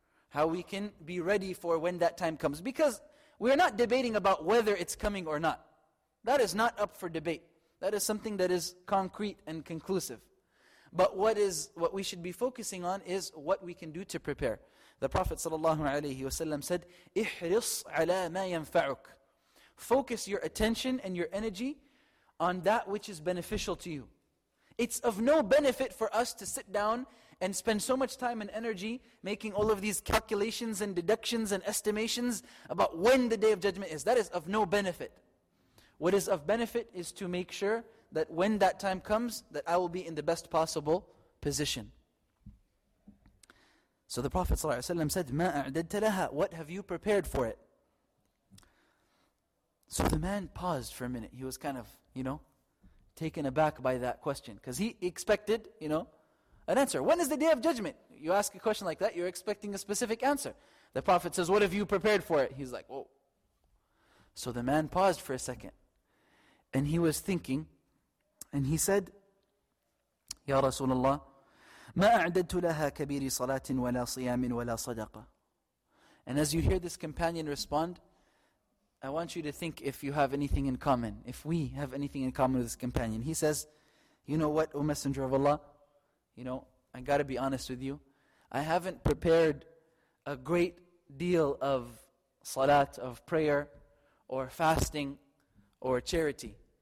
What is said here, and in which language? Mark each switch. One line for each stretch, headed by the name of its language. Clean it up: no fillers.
English: How we can be ready for when that time comes. Because we're not debating about whether it's coming or not. That is not up for debate. That is something that is concrete and conclusive. But what we should be focusing on is what we can do to prepare. The Prophet ﷺ said,
Arabic: احرص على ما ينفعك.
English: Focus your attention and your energy on that which is beneficial to you. It's of no benefit for us to sit down and spend so much time and energy making all of these calculations and deductions and estimations about when the Day of Judgment is. That is of no benefit. What is of benefit is to make sure that when that time comes, that I will be in the best possible position. So the Prophet ﷺ said,
Arabic: مَا أَعْدَدْتَ لَهَا.
English: What have you prepared for it? So the man paused for a minute. He was kind of, taken aback by that question. Because he expected, an answer. When is the Day of Judgment? You ask a question like that, you're expecting a specific answer. The Prophet says, what have you prepared for it? He's like, whoa. So the man paused for a second. And he was thinking, and he said,
Arabic: يَا رَسُولَ اللَّهِ مَا أَعْدَدْتُ لَهَا كَبِيرِ صَلَاةٍ وَلَا صِيَامٍ وَلَا صَدَقَةٍ.
English: And as you hear this companion respond, I want you to think if you have anything in common, if we have anything in common with this companion. He says, you know what, O Messenger of Allah, I gotta be honest with you, I haven't prepared a great deal of salat, of prayer, or fasting, or charity.